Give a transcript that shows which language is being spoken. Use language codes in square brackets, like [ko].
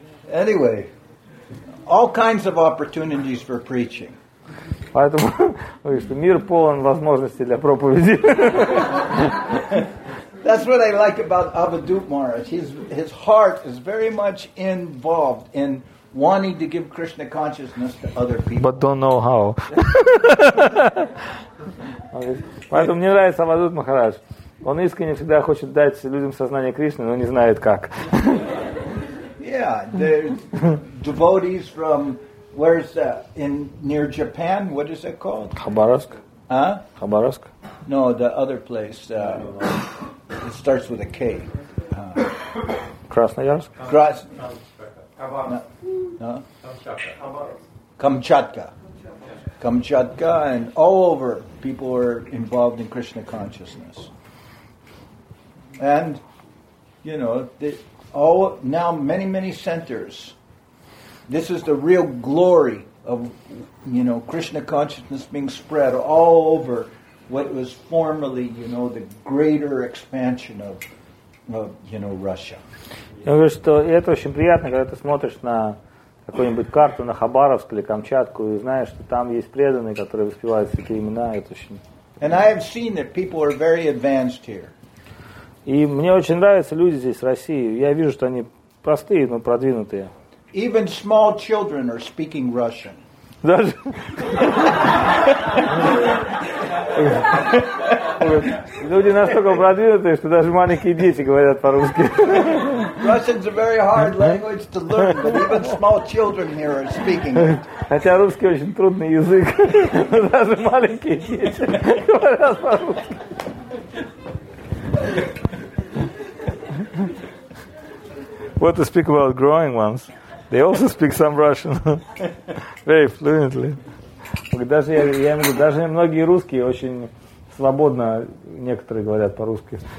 [en] Anyway, all kinds of opportunities for preaching. [ru] Поэтому, что мир полон возможностей для проповеди. [en] That's what I like about Avadhut Maharaj. His heart is very much involved in wanting to give Krishna consciousness to other people. But don't know how. [ru] Поэтому мне нравится Авадут Махарадж. Он искренне всегда хочет дать людям сознание Кришны, но не знает как. [en] Yeah, there's devotees from where's that? In near Japan, what is it called? Khabarovsk. Huh? Khabarovsk? No, the other place. It starts with a K. Krasnoyarsk? Krasnoyarsk. Kamchatka. Kamchatka, and all over people are involved in Krishna consciousness. And, you know, many centers. This is the real glory of, you know, Krishna consciousness being spread all over what was formerly, you know, the greater expansion of you know, Russia. [ru] Я говорю, что это очень приятно, когда ты смотришь на какую-нибудь карту, на Хабаровск или Камчатку, и знаешь, что там есть преданные, которые воспевают всякие имена. Это очень... [en] And I have seen that people are very advanced here. [ru] И мне очень нравятся люди здесь, в России. Я вижу, что они простые, но продвинутые. [en] Even small children are speaking Russian. [ru] Даже... Люди настолько продвинутые, что даже маленькие дети говорят по-русски. [en] Russian's a very hard language to learn, but even small children here are speaking it. [ru] Хотя русский очень трудный язык, но даже маленькие дети говорят по-русски. [en] What to speak about growing ones? They also speak some Russian very fluently. [ru] Даже я имею в виду, даже многие русские очень свободно некоторые говорят по-русски.